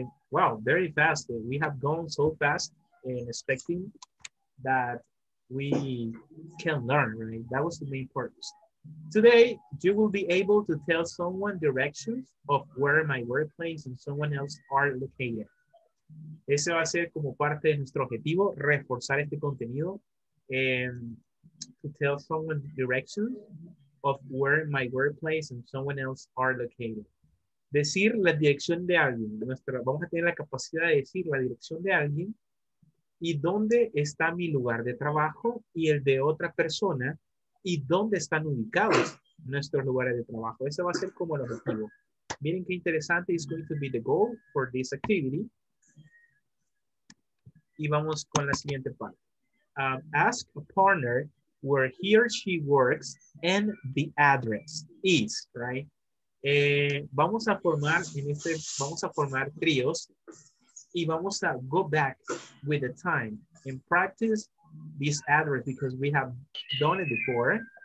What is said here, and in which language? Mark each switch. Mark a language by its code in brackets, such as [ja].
[en] Wow, very fast. We have gone so fast in expecting that we can learn, right? That was the main purpose. Today, you will be able to tell someone directions of where my workplace and someone else are located. [es] Ese va a ser como parte de nuestro objetivo, reforzar este contenido. [en] To tell someone directions of where my workplace and someone else are located. [es] Decir la dirección de alguien. Vamos a tener la capacidad de decir la dirección de alguien y dónde está mi lugar de trabajo y el de otra persona y dónde están ubicados nuestros lugares de trabajo. Ese va a ser como el objetivo. Miren qué interesante. [en] It's going to be the goal for this activity. [es] Y vamos con la siguiente parte. [en] Ask a partner where he or she works and the address is, right? [es] Vamos a formar en este, vamos a [en] formar tríos y vamos a go back with the time and practice this address because we have done it before.